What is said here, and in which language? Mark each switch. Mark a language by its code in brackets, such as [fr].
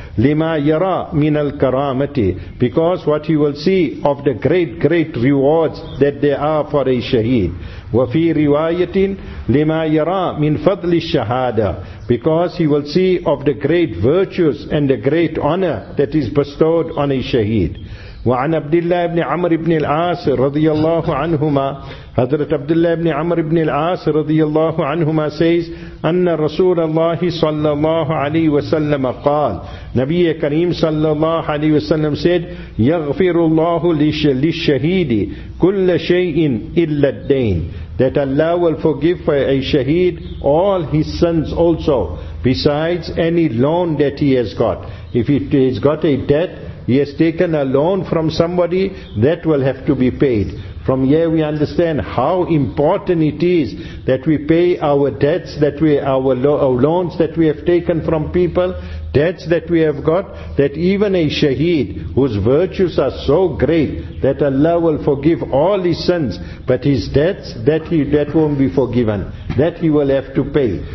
[ar] Lima yara min al karamati. [en] Because what he will see of the great, great rewards that there are for a shaheed. [ar] Wafi riwayatin lima yara min fadli shahada. [en] Because he will see of the great virtues and the great honor that is bestowed on a shaheed. [ar] وعن عبد الله بن عمرو بن العاص رضي الله عنهما حضرت عبد الله بن عمرو بن العاص رضي الله عنهما [en] says [ar] أن رسول الله صلى الله عليه وسلم قال نبي كريم صلى الله عليه وسلم [en] said [ar] يغفر الله للشهيد كل شيء إلا الدين, [en] that Allah will forgive for a shaheed all his sins also besides any loan that he has got. If he has got a debt, he has taken a loan from somebody, that will have to be paid. From here we understand how important it is that we pay our debts, that we our loans that we have taken from people, debts that we have got, that even a shaheed whose virtues are so great that Allah will forgive all his sins, but his debts, that won't be forgiven, that he will have to pay.